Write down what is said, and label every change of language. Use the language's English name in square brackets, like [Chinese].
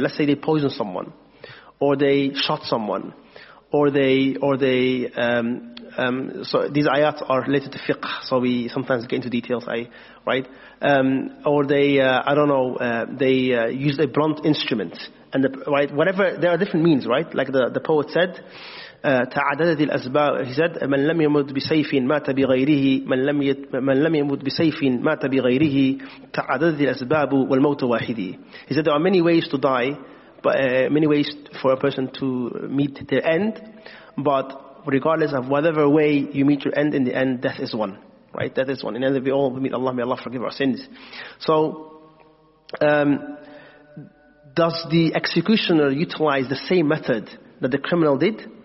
[English] Let's say they poisoned someone, or they shot someone, so these ayat are related to fiqh, so we sometimes get into details, right? They used a blunt instrument, and right, whatever, there are different means, right? Like the poet said, [Arabic] تعددت الأسباب. [English] He said, [Arabic] من لم يمد بسيف مات بغيره من لم يمد بسيف مات بغيره تعددت الأسباب والموت واحد. [English] He said, there are many ways to die, but many ways for a person to meet their end, but regardless of whatever way you meet your end, in the end, death is one. Right? Death is one. In the end, we all meet Allah. May Allah forgive our sins. So, does the executioner utilize the same method that the criminal did?